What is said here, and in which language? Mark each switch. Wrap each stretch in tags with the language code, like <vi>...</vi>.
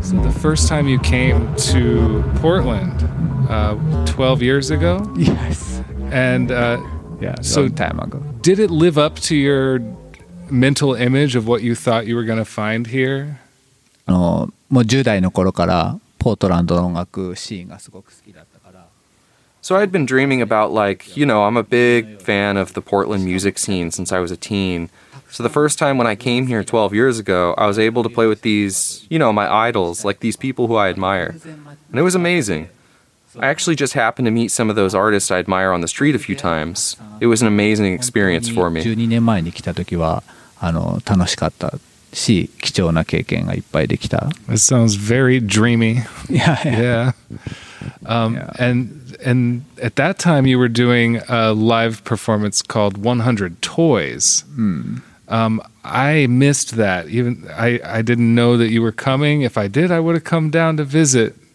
<en>first time you came to Portland 12 years ago. Yes. And long time ago. Did it live up to your mental image of what you thought you were going to find here?</en> <ja>もう10代の頃からポートランドの音楽シーンがすごく好きだったから。</ja> <en>So I'd been dreaming about, like, you know, I'm a big fan of the Portland music scene since I was a teen. So the first time when I came here 12 years ago, I was able to play with these, you know, my idols, like these people who I admire. And it was amazing. I actually just happened to meet some of those artists I admire on the street a few times. It was an amazing experience for me.</en> <ja>12年前に来た時は、楽しかったし、貴重な経験がいっぱいできた。</ja> <en>It sounds very dreamy. Yeah. Yeah. And at that time you were doing a live performance called 100 Toys. Mm. I missed that. Even I didn't know that you were coming. If I did, I would have come down to visit.</en>